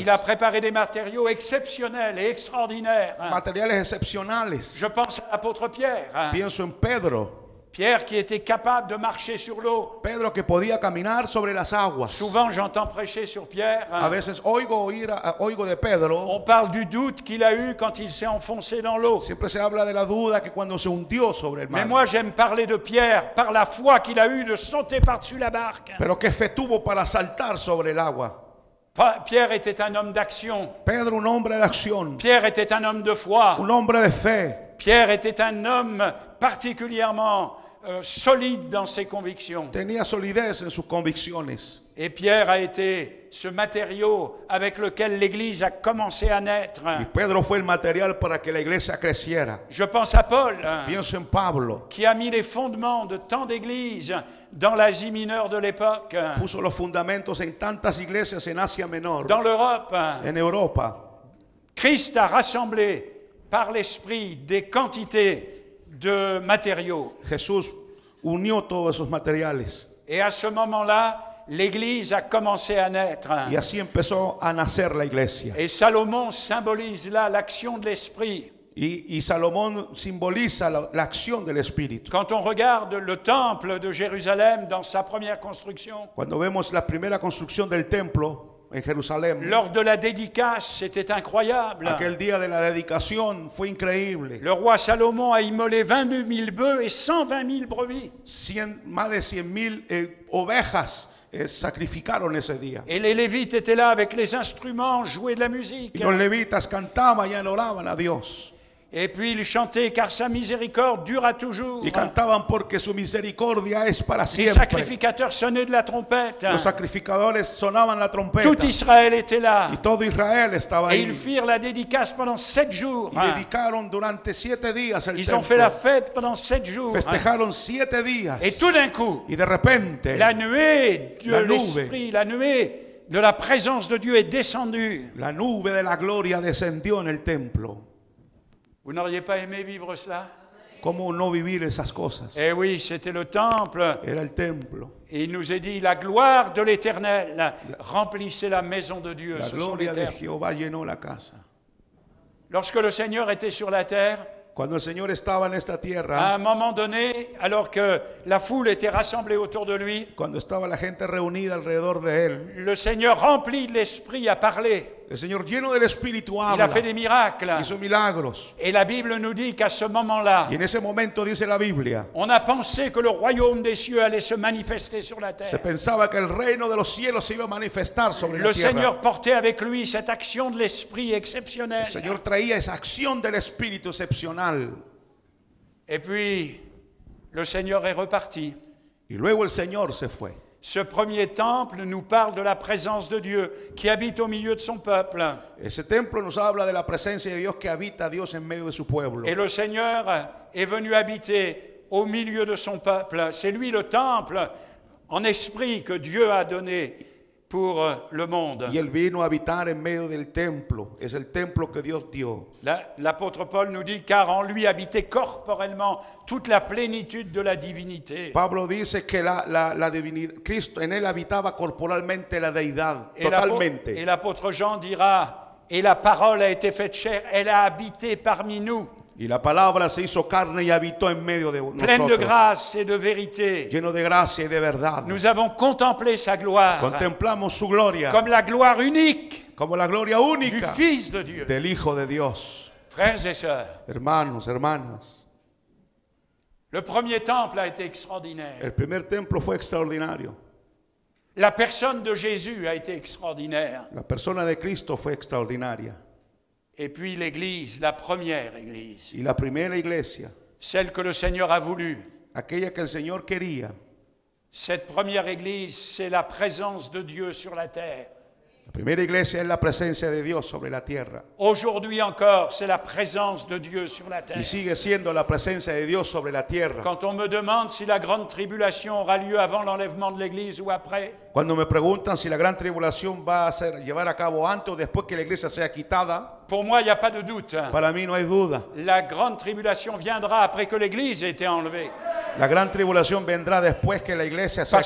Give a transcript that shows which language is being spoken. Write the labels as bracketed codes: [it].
[fr] Il a préparé des matériaux exceptionnels et extraordinaires. [es] Materiales excepcionales. [fr] Je pense à l'apôtre Pierre. [es] Pienso en Pedro. [fr] Pierre qui était capable de marcher sur l'eau. [es] Pedro que podía caminar sobre las aguas. [fr] Souvent j'entends prêcher sur Pierre. [es] A veces oigo de Pedro. [fr] On parle du doute qu'il a eu quand il s'est enfoncé dans l'eau. [es] Siempre se habla de la duda que cuando se hundió sobre el mar. [fr] Mais moi j'aime parler de Pierre par la foi qu'il a eu de sauter par-dessus la barque. [es] Pero qué fe tuvo para saltar sobre el agua. [fr] Pierre était un homme d'action. [es] Pedro un hombre de acción. [fr] Pierre était un homme de foi. [es] Un hombre de fe. [fr] Pierre était un homme particulièrement solide dans ses convictions. [es] Tenía solidez en sus convicciones. [fr] Et Pierre a été ce matériau avec lequel l'Église a commencé à naître. [es] Y Pedro fue el material para que la iglesia creciera. [fr] Je pense à Paul. [es] Pienso en Pablo. [fr] Qui a mis les fondements de tant d'églises dans l'Asie mineure de l'époque. [es] Puso los fundamentos en tantas iglesias en Asia Menor. [fr] Dans l'Europe. [es] En Europa. [fr] Christ a rassemblé par l'Esprit des quantités de matériaux. [es] Jesús unió todos esos materiales. [fr] Et à ce moment-là, l'Église a commencé à naître. [es] Y así empezó a nacer la iglesia. [fr] Et Salomon symbolise là l'action de l'Esprit. [es] Y Salomón simboliza [fr] l'action [es] del Espíritu. [fr] Quand on regarde le temple de Jérusalem dans sa première construction, [es] cuando vemos la primera construcción del templo, en Jerusalén. [fr] Lors de la dédicace, c'était incroyable. [es] Aquel día de la dedicación fue increíble. [fr] Le roi Salomon a immolé 22 000 bœufs et 120 000 brebis. [es] Más de 100 000 ovejas sacrificaron ese día. [fr] Et les lévites étaient là avec les instruments, jouaient de la musique. [es] Y los levitas cantaban y adoraban a Dios. [fr] Et puis ils chantaient car sa miséricorde dure à toujours. [es] Y cantaban porque su misericordia es para siempre. [fr] Les sacrificateurs sonnaient de la trompette. [es] Los sacrificadores sonaban la trompeta. [fr] Tout Israël était là. [es] Y todo Israel estaba ahí. [fr] Et ils firent la dédicace pendant 7 jours. [es] Y dedicaron durante 7 días el templo. [fr] Ils ont fait la fête pendant 7 jours. [es] Festejaron 7 días. [fr] Et tout d'un coup, [es] y de repente, [fr] la nuée de l'esprit, la nuée de la présence de Dieu est descendue. [es] La nube de la gloria descendió en el templo. [fr] Vous n'auriez pas aimé vivre cela? [es] Comment no vivir esas cosas? [fr] Eh oui, c'était le temple. [es] Era el templo. [fr] Et il nous est dit, la gloire de l'Éternel remplissait la maison de Dieu. [es] La gloria de Jehová llenó la casa. [fr] Lorsque le Seigneur était sur la terre, [es] cuando el Señor estaba en esta tierra, [fr] à un moment donné, alors que la foule était rassemblée autour de lui, [es] cuando estaba la gente reunida alrededor de él, [fr] le Seigneur rempli de l'Esprit a parlé. [es] El Señor lleno del Espíritu habla. [fr] Il a fait des miracles. [es] Hizo milagros. [fr] Et la Bible nous dit qu'à ce moment-là, [es] y en ese momento dice la Biblia, [fr] on a pensé que le royaume des cieux allait se manifester sur la terre. [es] Se pensaba que el reino de los cielos se iba a manifestar sobre [fr] le [es] la tierra. [fr] Le Seigneur portait avec lui cette action de l'Esprit exceptionnelle. [es] El Señor traía esa acción del Espíritu excepcional. [fr] Et puis, le Seigneur est reparti. [es] Y luego el Señor se fue. [fr] Ce premier temple nous parle de la présence de Dieu qui habite au milieu de son peuple. [es] Ese templo nos habla de la presencia de Dios que habita Dios en medio de su pueblo. [fr] Et le Seigneur est venu habiter au milieu de son peuple. C'est lui le temple en esprit que Dieu a donné pour le monde. [es] Y él vino a habitar en medio del templo. Es el templo que Dios dio. [fr] L'apôtre Paul nous dit car en lui habitait corporellement toute la plénitude de la divinité. [es] Pablo dice que la divinidad, Cristo en él habitaba corporalmente la deidad, totalmente. [fr] Et l'apôtre Jean dira et la parole a été faite chair, elle a habité parmi nous. [es] Y la palabra se hizo carne y habitó en medio de nosotros. [fr] Pleine de grâce et de vérité. [es] Lleno de gracia y de verdad. [fr] Nous avons contemplé sa gloire. [es] Contemplamos su gloria. [fr] Comme la gloire unique. [es] Como la gloria única. [fr] Du Fils de Dieu. [es] Del Hijo de Dios. [fr] Frères et sœurs. [es] Hermanos, hermanas. [fr] Le premier temple a été extraordinaire. [es] El primer templo fue extraordinario. [fr] La personne de Jésus a été extraordinaire. [es] La persona de Cristo fue extraordinaria. [fr] Et puis l'Église, la première Église. [es] Y la primera iglesia. [fr] Celle que le Seigneur a voulu. [es] Aquella que el Señor quería. [fr] Cette première Église, c'est la présence de Dieu sur la terre. [es] La primera iglesia es la presencia de Dios sobre la tierra. [fr] Aujourd'hui encore, c'est la présence de Dieu sur la terre. [es] Y sigue siendo la presencia de Dios sobre la tierra. [fr] Quand on me demande si la grande tribulation aura lieu avant l'enlèvement de l'Église ou après. [es] Cuando me preguntan si la gran tribulación va a ser llevar a cabo antes o después que la iglesia sea quitada. [fr] Pour moi, il n'y a pas de doute. [es] Para mí no hay duda. [fr] La grande tribulation viendra après que l'Église ait été enlevée. [es] La gran tribulación vendrá después que la iglesia sea